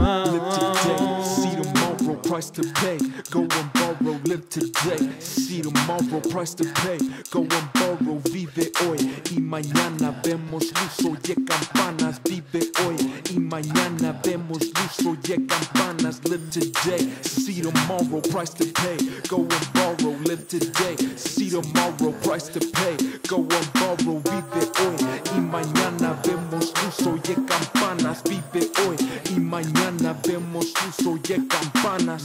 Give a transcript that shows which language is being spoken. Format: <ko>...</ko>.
<en>Live today, see tomorrow, price to pay. Go and borrow, live today. See tomorrow, price to pay. Go and borrow,</en> <es>vive hoy. Y mañana vemos luz, oye campanas. Vive hoy, y mañana vemos luz, oye campanas.</es> <en>Live today, see tomorrow, price to pay. Go and borrow, live today. See tomorrow, price to pay. Go and borrow,</en> <es>vive hoy. Y mañana vemos luz, oye campanas. Vive hoy, y mañana vemos luz, oye campanas.</es>